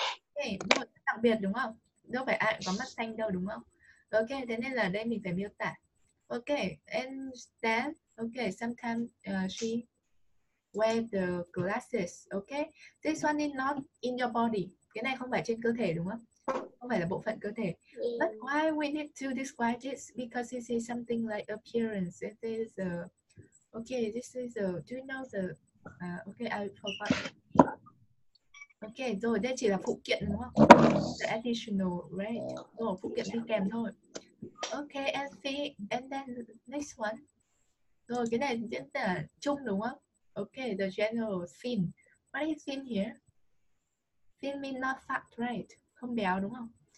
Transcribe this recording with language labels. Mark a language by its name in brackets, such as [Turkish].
[Vietnamese] Okay, một đặc biệt đúng không? Đâu phải ai có mắt xanh đâu đúng không? Okay, thế nên là đây mình phải miêu tả. [English] Okay, and then, okay, sometimes she wear the glasses. Okay, this one is not in your body. [Vietnamese] Cái này không phải trên cơ thể đúng không? Không phải là bộ phận cơ thể. [English] But why we need to describe this? Because this is something like appearance. It is a, okay, this is a, do you know the, okay, I forgot. [Vietnamese] Okay, rồi đây chỉ là phụ kiện đúng không? [English] The additional, right? [Vietnamese] Rồi phụ kiện đi kèm thôi. [English] Okay, and see, and then next one. [Vietnamese] Rồi cái này diễn tả chung đúng không? [English] Okay, the general thin. What is thin here? Thin mean not fat, right? [Vietnamese] Không béo đúng không?